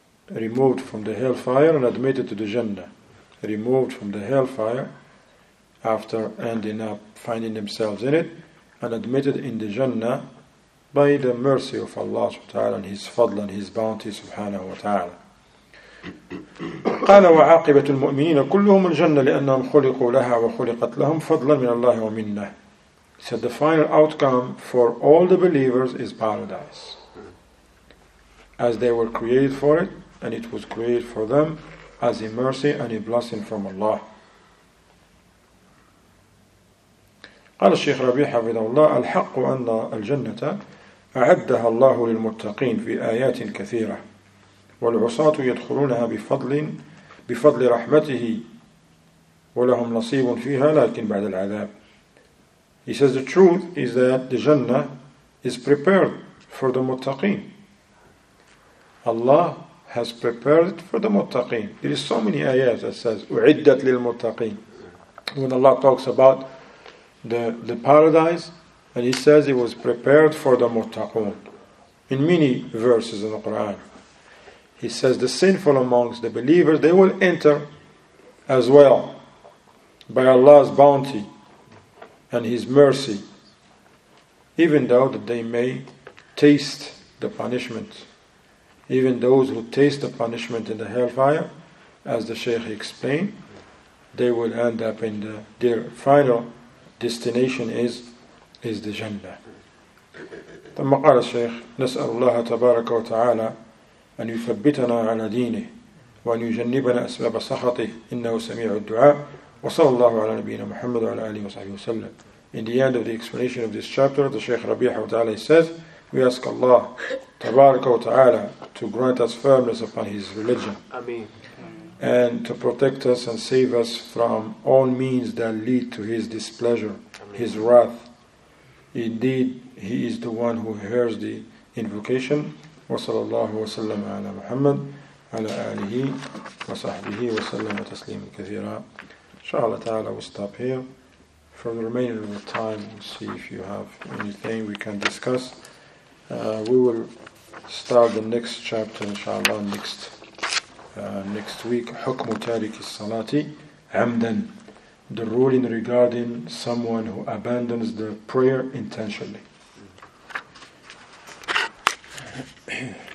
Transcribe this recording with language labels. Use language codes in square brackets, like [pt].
[en] Removed from the hellfire and admitted to the Jannah. Removed from the hellfire after ending up finding themselves in it and admitted in the Jannah by the mercy of Allah subhanahu wa ta'ala and His fadl and His bounty, subhanahu wa ta'ala. [ar] قال وعاقبة المؤمنين كلهم الجنة لأنهم خلقوا لها وخلقت لهم فضلا من الله ومنا. [en] So the final outcome for all the believers is paradise, as they were created for it, and it was created for them as a mercy and a blessing from Allah. [ar] قال الشيخ ربيع حفظه الله الحق أن الجنة أعدها الله للمتقين في آيات كثيرة والعصاة يدخلونها بفضل رحمته ولهم نصيب فيها لكن بعد العذاب. [en] He says the truth is that the Jannah is prepared for the muttaqin. Allah has prepared it for the muttaqin. There is so many ayat that says [ar] أعدت للمتقين. [en] When Allah talks about the paradise and He says it was prepared for the muttaqun in many verses in the Quran. He says the sinful amongst the believers, they will enter as well by Allah's bounty and His mercy, even though that they may taste the punishment. Even those who taste the punishment in the hellfire, as the Shaykh explained, they will end up in their final destination is the Jannah. [ar] ثم قال الشيخ نسأل الله تبارك وتعالى أن يثبتنا على دينه وأن يجنبنا أسباب سخطه إنه سميع الدعاء وصلى الله على نبينا محمد وعلى آله وصحبه وسلم. [en] In the end of the explanation of this chapter, the Shaykh Rabih Ta'ala says, we ask Allah [ar] تبارك وتعالى [en] to grant us firmness upon His religion. Ameen. And to protect us and save us from all means that lead to His displeasure, Ameen. His wrath. Indeed, He is the one who hears the invocation. [ar] وصلى الله وسلم على محمد على آله وصحبه وسلم تسليما كثيرا. إن شاء الله تعالى [en] we'll stop here. For the remaining of the time, we'll see if you have anything we can discuss. We will start the next chapter [ar] إن شاء الله [en] next week. [ar] حكم تارك الصلاة عمدا. [en] The ruling regarding someone who abandons the prayer intentionally. Yeah.